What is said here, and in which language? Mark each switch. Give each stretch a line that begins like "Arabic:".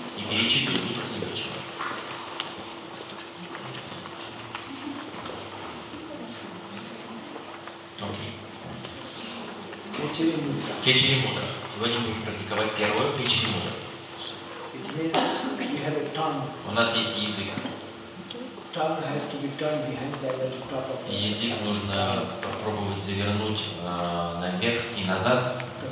Russian: Перечитывай их немножечко. Окей. Кечари Мудра. Кечари Мудра. Сегодня будем практиковать первую Кечари Мудра.
English: It means you have a tongue.
Russian: У нас есть язык.
English: Tongue has to be turned behind the other top of the.
Russian: Язык нужно попробовать завернуть наверх и назад.